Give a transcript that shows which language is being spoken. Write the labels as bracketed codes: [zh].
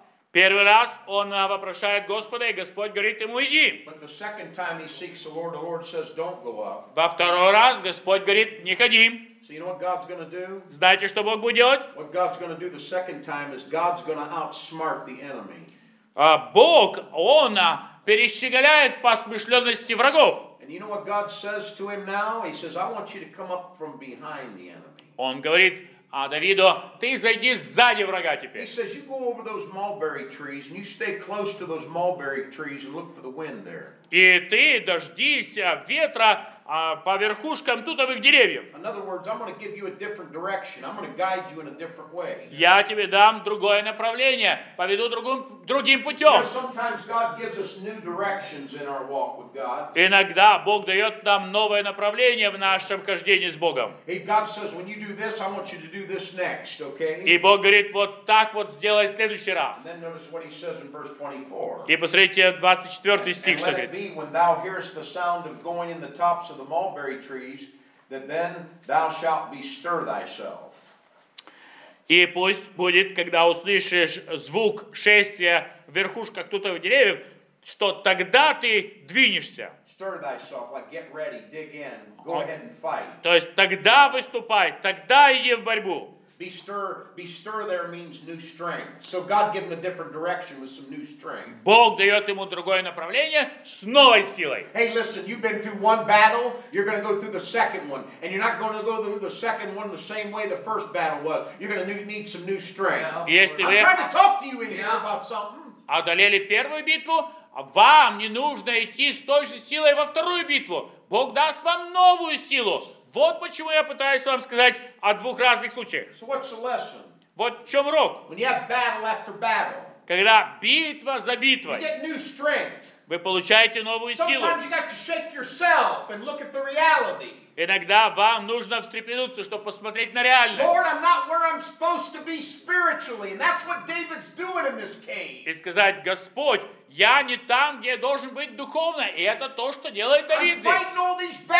[ru] Первый раз он вопрошает Господа, и Господь говорит ему, иди. Во второй раз Господь говорит, не ходи. [en] So you know what God's gonna do? [ru] Знаете, что Бог будет делать? [en] What God's gonna do the second time is God's gonna outsmart the enemy. [ru] Бог, он перещеголяет по смышленности врагов. [en] And you know what God says to him now? He says, I want you to come up from behind the enemy. [ru] Он говорит, а Давиду, ты зайди сзади врага теперь. [en] He says, you go over those mulberry trees and you stay close to those mulberry trees and look for the wind there. [ru] И ты дождись ветра по верхушкам тутовых деревьев. [en] In other words, I'm going to give you a different direction. I'm going to guide you in a different way. [ru] Я тебе дам другое направление, поведу другим путем. [en] Sometimes God gives us new directions in our walk with God. [ru] Иногда Бог дает нам новое направление в нашем хождении с Богом. [en] God says, when you do this, I want you to do this next, okay? [ru] И Бог говорит, вот так вот сделай в следующий раз. [en] Then notice what he says in verse 24. [ru] И посмотрите 24 стих, что говорит. [en] And let it be, when thou hearest the sound of going in the tops of the mulberry trees, that then thou shalt bestir thyself. [ru] И пусть будет, когда услышишь звук шествия в верхушках тутовых деревьев, что тогда ты двинешься. [en] Stir thyself, like get ready, dig in, go ahead and fight. [ru] То есть тогда выступай, тогда иди в борьбу. [en] Bestir there means new strength. So God gave him a different direction with some new strength. [ru] Бог дает ему другое направление с новой силой. [en] Hey, listen, you've been through one battle, you're going to go through the second one. And you're not going to go through the second one the same way the first battle was. You're going to need some new strength. I'm trying to talk to you in here about something. [ru] Одолели первую битву, а вам не нужно идти с той же силой во вторую битву. Бог даст вам новую силу. Вот почему я пытаюсь вам сказать о двух разных случаях. [en] So what's the lesson? [ru] Вот в чем урок. [en] When you have battle after battle, [ru] когда битва за битвой, [en] you get new strength. [ru] Вы получаете новую силу. [en] Sometimes you got to shake yourself and look at the reality. [ru] Иногда вам нужно встрепенуться, чтобы посмотреть на реальность. И сказать, Господь, я не там, где я должен быть духовно. И это то, что делает Давид здесь.